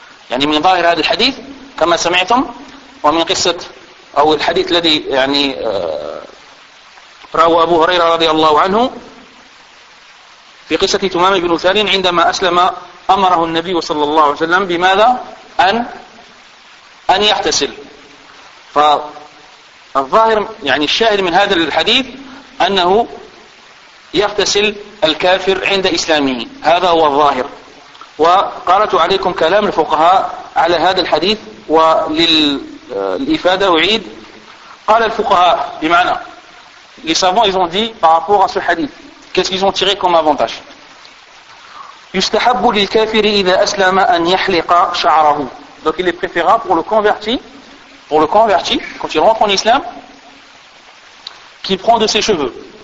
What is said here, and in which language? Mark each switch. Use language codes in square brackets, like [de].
[ar] Yani min dhahir hadha al-hadith kama sami'tum wa min qissat aw al-hadith alladhi yani rawahu Abu Huraira radiyallahu anhu في قصة تمام بن أثال عندما أسلم أمره النبي صلى الله عليه وسلم بماذا؟ أن يغتسل. فالظاهر يعني الشاهد من هذا الحديث أنه يغتسل الكافر عند إسلامه، هذا هو الظاهر. وقرأت عليكم كلام الفقهاء على هذا الحديث وللإفادة أعيد. قال الفقهاء بمعنى [fr] لي سافون ils ont dit par rapport à ce hadith. Qu'est-ce qu'ils ont tiré comme avantage ? [ar] يستحب للكافر إذا أسلم أن يحلق شعره. [fr] Donc il est préférable pour le converti, quand il rentre en islam, qu'il prend de ses cheveux.